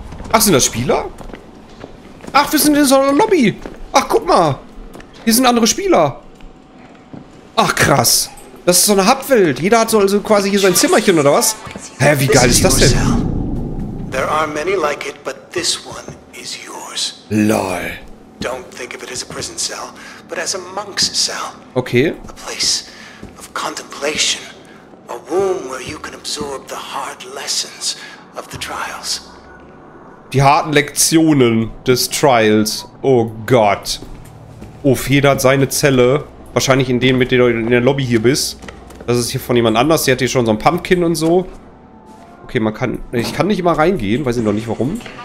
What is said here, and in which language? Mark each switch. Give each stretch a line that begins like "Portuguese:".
German: Ach, sind das Spieler? Ach, wir sind in so einer Lobby. Ach, guck mal. Hier sind andere Spieler. Ach, krass. Das ist so eine Hubwelt. Jeder hat so also quasi hier sein Zimmerchen, oder was? Hä, wie geil ist das denn?
English: There are many like it, but this one is yours. Lol. Don't think of it as a prison cell, but as a monk's cell. Okay. A place of contemplation. A womb where you can absorb the hard lessons of the trials.
German: Die harten Lektionen des Trials. Oh Gott. Oh, jeder hat seine Zelle. Wahrscheinlich in dem, mit dem du in der Lobby hier bist. Das ist hier von jemand anders. Der hat hier schon so ein Pumpkin und so. Okay, man kann... Ich kann nicht immer reingehen. Weiß ich noch nicht, warum.